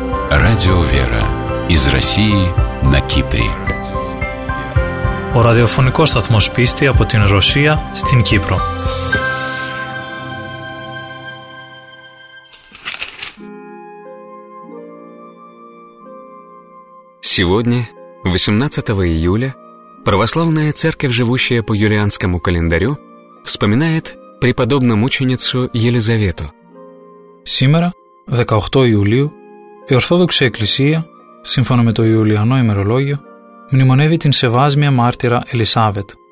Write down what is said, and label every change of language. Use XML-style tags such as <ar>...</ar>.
<ru>Радио «Вера» из России на Кипре.</ru> <el>Ο ραδιοφωνικός σταθμός πίστη από την Ρωσία στην Κύπρο.</el> <ru>Сегодня, 18 июля, православная церковь, живущая по юлианскому календарю, вспоминает преподобную мученицу Елизавету. Сегодня, 18 июля,</ru> <el>η Ορθόδοξη Εκκλησία, σύμφωνα με το Ιουλιανό ημερολόγιο, μνημονεύει την σεβάσμια μάρτυρα Ελισάβετ.</el>